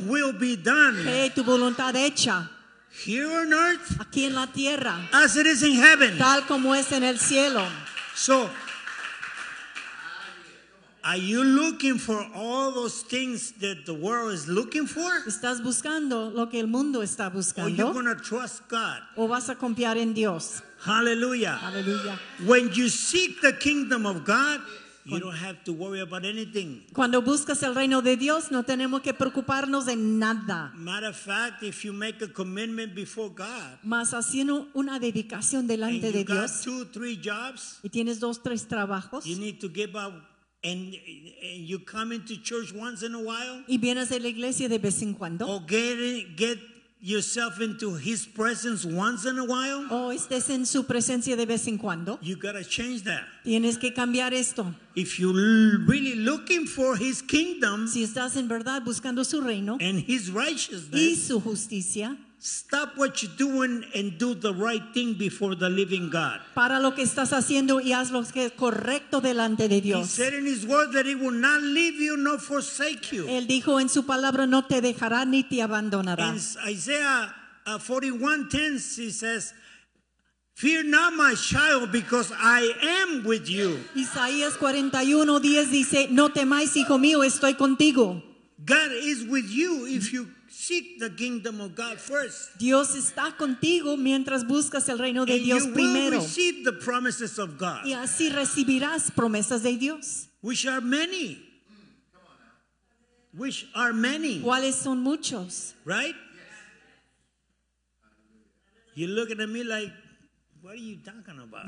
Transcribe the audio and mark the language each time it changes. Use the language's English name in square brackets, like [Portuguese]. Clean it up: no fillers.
[English] Your will be done. [Spanish] Que tu voluntad hecha. [English] Here on earth. [Spanish] Aquí en la tierra. [English] As it is in heaven. [Spanish] Tal como es en el cielo. [English] So, are you looking for all those things that the world is looking for? [Spanish] ¿Estás buscando lo que el mundo está buscando? [English] Or you're going to trust God? [Spanish] ¿O vas a confiar en Dios? [English] Hallelujah. Hallelujah. When you seek the kingdom of God, you don't have to worry about anything. [Spanish] Cuando buscas el reino de Dios, no tenemos que preocuparnos en nada. [English] Matter of fact, if you make a commitment before God, [Spanish] más haciendo una dedicación delante de Dios, [English] and you got 2-3 jobs, [Spanish] y tienes 2-3 trabajos, [English] you need to give up, and you come into church once in a while, [Spanish] y vienes a la iglesia de vez en cuando, [English] or get yourself into His presence once in a while. [Spanish] Oh, estés en su presencia de vez en cuando. [English] You gotta change that. [Spanish] Tienes que cambiar esto. [English] If you're really looking for His kingdom, [Spanish] si estás en verdad buscando su reino, [English] and His righteousness, [Spanish] y su justicia, [English] stop what you're doing and do the right thing before the living God. [Spanish] Para lo que estás haciendo y haz lo que es correcto delante de Dios. [English] He said in His word that He will not leave you nor forsake you. [Spanish] Él dijo en su palabra no te dejará ni te abandonará. [English] In Isaiah 41:10, He says, "Fear not, my child, because I am with you." [Spanish] Isaías 41:10 dice, "No temáis, hijo mío, estoy contigo." [English] God is with you if you seek the kingdom of God first. [Spanish] Dios está contigo mientras buscas el reino de Dios primero. [English] And you will receive the promises of God. [Spanish] Y así recibirás promesas de Dios. [English] Which are many. Which are many. [Spanish] ¿Cuáles son muchos? [English] Right? You're looking at me like, what are you talking about?